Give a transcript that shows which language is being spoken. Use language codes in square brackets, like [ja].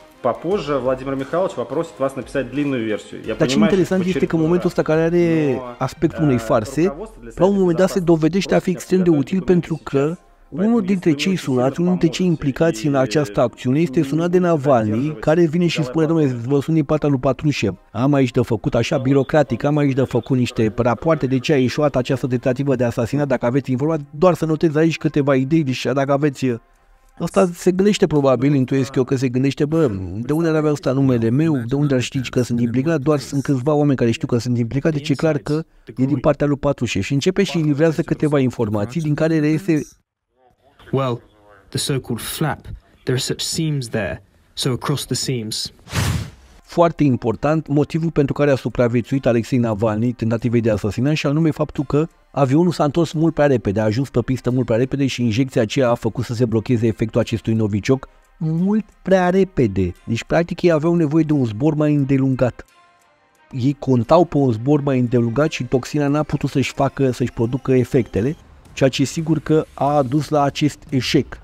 [ru] Попозже Владимир Михайлович попросит вас написать длинную версию. [ro] Dar ce interesant este că momentul ăsta care are aspectul unei farse, la un moment dat se dovedește a fi extrem de util pentru că Unul dintre cei sunați, unul dintre cei implicați în această acțiune este sunat de Navalny, care vine și spune, domnule, vă sun din partea lui Patrușev. Am aici de făcut așa birocratic, am aici de făcut niște rapoarte de ce a ieșuat această tentativă de asasinat, dacă aveți informații, doar să notez aici câteva idei, deci dacă aveți... Asta se gândește probabil, intuiesc eu că se gândește, bă, de unde ar avea ăsta numele meu, de unde ar ști că sunt implicat, doar sunt câțiva oameni care știu că sunt implicat, deci e clar că e din partea lui Patrușev. Și începe și livrează câteva informații din care reiese... [en] Well, the so-called flap, there are such seams there, so across the seams. [ro] Foarte important, motivul pentru care a supraviețuit Alexei Navalny tentativei de asasinat și anume faptul că avionul s-a întors mult prea repede, a ajuns pe pistă mult prea repede și injecția aceea a făcut să se blocheze efectul acestui novicioc mult prea repede. Deci, practic, ei aveau nevoie de un zbor mai îndelungat. Ei contau pe un zbor mai îndelungat și toxina n-a putut să-și facă, să-și producă efectele, ceea ce sigur că a dus la acest eșec.